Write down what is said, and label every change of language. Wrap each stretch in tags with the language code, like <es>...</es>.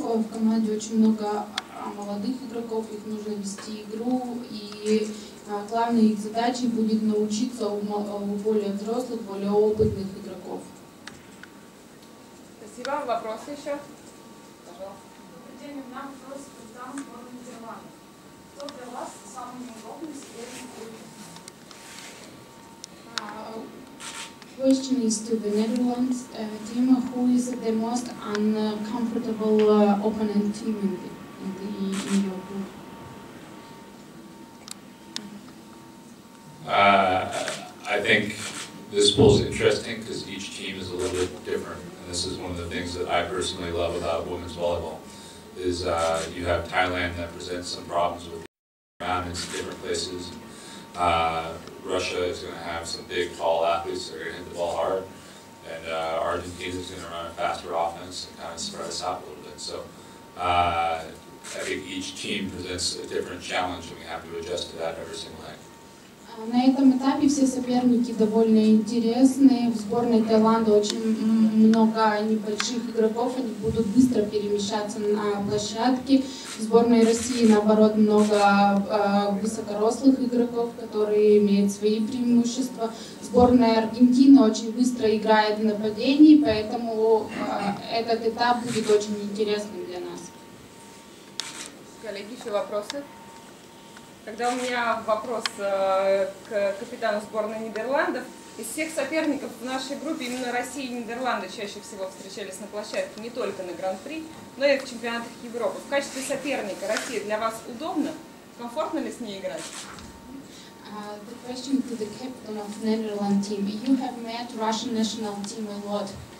<ru>В команде очень много молодых игроков, их нужно вести игру, и главной их задачей будет научиться у более взрослых, более опытных игроков. Спасибо. Вопрос еще? Добрый день. У меня вопрос к капитану сборной Таиланда. Кто для вас самый неудобный соперник в группе?</ru> <en>The question is to the Netherlands team, who is the most uncomfortable opponent team in your group? I think this pool is interesting because each team is a little bit different. And this is one of the things that I personally love about women's volleyball, is you have Thailand that presents some problems with environments in different places. Russia is going to have some big, tall athletes that are going to hit the ball hard. And Argentina is going to run a faster offense and kind of spread us out a little bit. So I think each team presents a different challenge, and we have to adjust to that every single night.</en> <ru>На этом этапе все соперники довольно интересные. В сборной Таиланда очень много небольших игроков, они будут быстро перемещаться на площадке. В сборной России, наоборот, много высокорослых игроков, которые имеют свои преимущества. Сборная Аргентины очень быстро играет в нападении, поэтому этот этап будет очень интересным для нас. Коллеги, еще вопросы? Тогда у меня вопрос к капитану сборной Нидерландов. Из всех соперников в нашей группе именно Россия и Нидерланды чаще всего встречались на площадке не только на Гран-при, но и в чемпионатах Европы. В качестве соперника Россия для вас удобна? Комфортно ли с ней играть?</ru> <en>The question to the captain of the Netherlands team. You have met Russian national team a lot.</en>